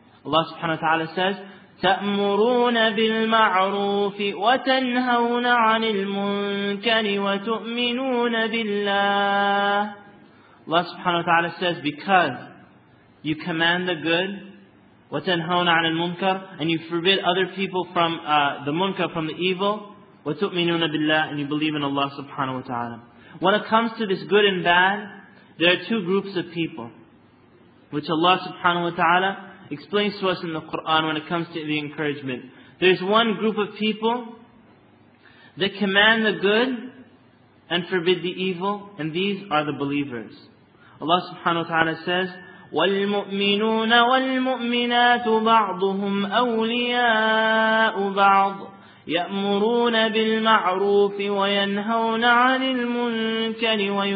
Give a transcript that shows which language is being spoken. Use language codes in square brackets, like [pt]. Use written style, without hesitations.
[en] Allah subhanahu wa ta'ala says, [ar] تَأْمُرُونَ بِالْمَعْرُوفِ وَتَنْهَوْنَ عَنِ الْمُنْكَرِ وَتُؤْمِنُونَ بِاللَّهِ. [en] Allah subhanahu wa ta'ala says, because you command the good, [ar] وَتَنْهَوْنَ عَنِ الْمُنْكَرِ, [en] and you forbid other people from the munkar, from the evil, [ar] وَتُؤْمِنُونَ بِاللَّهِ, [en] and you believe in Allah subhanahu wa ta'ala. When it comes to this good and bad, there are two groups of people, which Allah subhanahu wa ta'ala explains to us in the Qur'an when it comes to the encouragement. There's one group of people that command the good and forbid the evil, and these are the believers. Allah subhanahu wa ta'ala says, [ar] وَالْمُؤْمِنُونَ وَالْمُؤْمِنَاتُ بَعْضُهُمْ أَوْلِيَاءُ بَعْضُ يَأْمُرُونَ بِالْمَعْرُوفِ وَيَنْهَوْنَ عَنِ الْمُنْكَرِ